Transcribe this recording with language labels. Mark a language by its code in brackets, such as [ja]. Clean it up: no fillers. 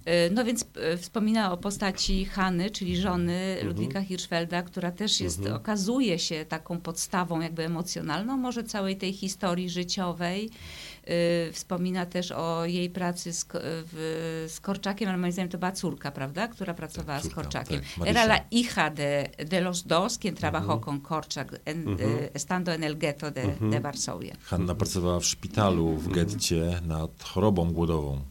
[pl] No więc wspomina o postaci Hanny, czyli żony Ludwika Hirschfelda, która też jest, okazuje się taką podstawą jakby emocjonalną może całej tej historii życiowej. Wspomina też o jej pracy z Korczakiem, ale moim zdaniem to była córka, prawda, która pracowała z Korczakiem. Tak, [es] era la hija de los dos, quien trabajó con Korczak, estando en el ghetto de Varsovia. [pl] Hanna pracowała w szpitalu w getcie nad chorobą głodową.